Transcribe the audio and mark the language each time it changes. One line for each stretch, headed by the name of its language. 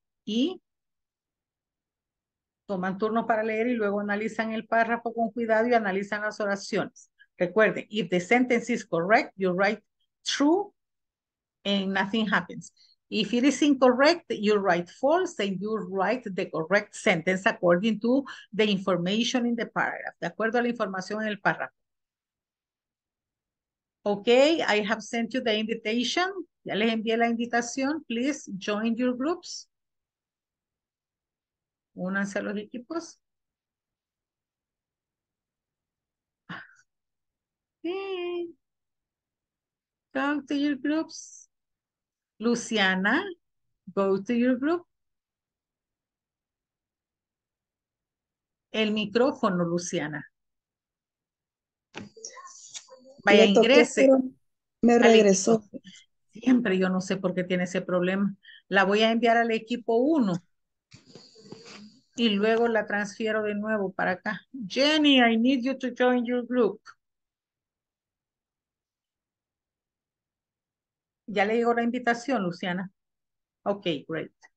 Spanish: Y toman turno para leer y luego analizan el párrafo con cuidado y analizan las oraciones.
English: Recuerden, if the sentence is correct, you write true and nothing happens. If it is incorrect, you write false and you write the correct sentence according to the information in the paragraph,
Spanish: de acuerdo a la información en el párrafo.
English: Okay, I have sent you the invitation.
Spanish: Ya les envié la invitación.
English: Please join your groups.
Spanish: Únanse a los equipos.
English: Talk to your groups. Luciana, go to your group.
Spanish: El micrófono, Luciana. Vaya, ingrese. Me regresó. Siempre, yo no sé por qué tiene ese problema. La voy a enviar al equipo 1. Y luego la transfiero de nuevo para acá.
English: Jenny, I need you to join your group.
Spanish: ¿Ya le llegó la invitación, Luciana?
English: Ok, great.